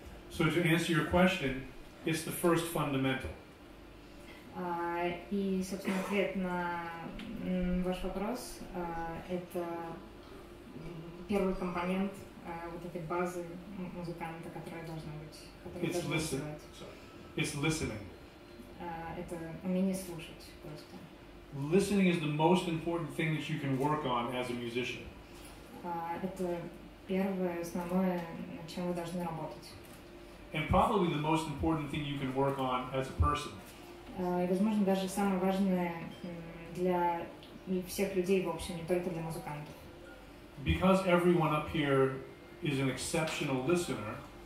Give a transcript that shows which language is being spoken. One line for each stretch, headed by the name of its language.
English: So to answer your question, it's the first fundamental.
Russian: И, собственно, ответ на ваш вопрос это первый компонент вот этой базы музыканта, которая должна быть.
English: It's listening. It's listening.
Russian: Это умение слушать просто.
English: Listening is the most important thing that you can work on as a musician.
Russian: Это первое, основное, над чем вы должны работать.
English: And probably the most important thing you can work on as a person.
Russian: И, возможно, даже самое важное для всех людей в общем, не только для музыкантов.
English: because everyone up here is an exceptional listener.